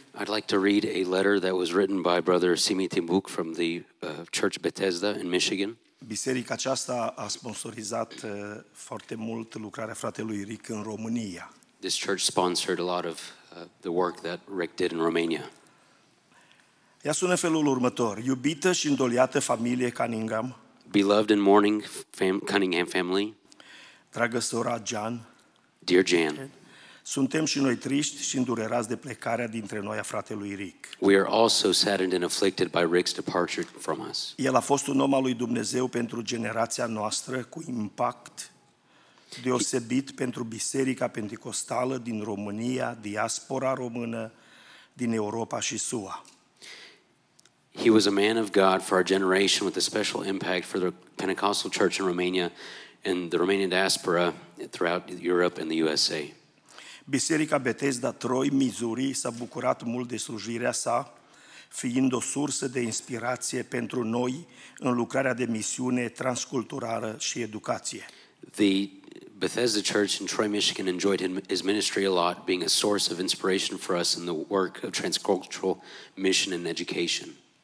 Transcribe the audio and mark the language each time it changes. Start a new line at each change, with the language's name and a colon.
English: I'd like to read a letter that was written by brother Simi Timbuk from the church Bethesda in Michigan.
Romanian: Biserica aceasta a sponsorizat foarte mult lucrarea fratelui Rick în România.
English: This church sponsored a lot of the work that Rick did in Romania.
Romanian: Ea sună felul următor: iubită și îndoliată familie Cunningham.
English: Beloved and mourning Cunningham family.
Romanian: Dragă sora Jan.
English: Dear Jan.
Romanian: Suntem și noi triști și îndurerați de plecarea dintre noi a fratelui Rick.
English: We are also saddened and afflicted by Rick's departure from us.
Romanian: El a fost un om al lui Dumnezeu pentru generația noastră, cu impact deosebit pentru Biserica Pentecostală din România, diaspora română, din Europa și SUA.
English: He was a man of God for our generation with a special impact for the Pentecostal Church in Romania and the Romanian diaspora throughout Europe and the USA.
Romanian: Biserica Bethesda Troy, Missouri s-a bucurat mult de slujirea sa, fiind o sursă de inspirație pentru noi în lucrarea de misiune transculturală și educație.
English: The Bethesda Church in Troy, Michigan enjoyed his ministry a lot, being a source of inspiration for us in the work of transcultural mission and education.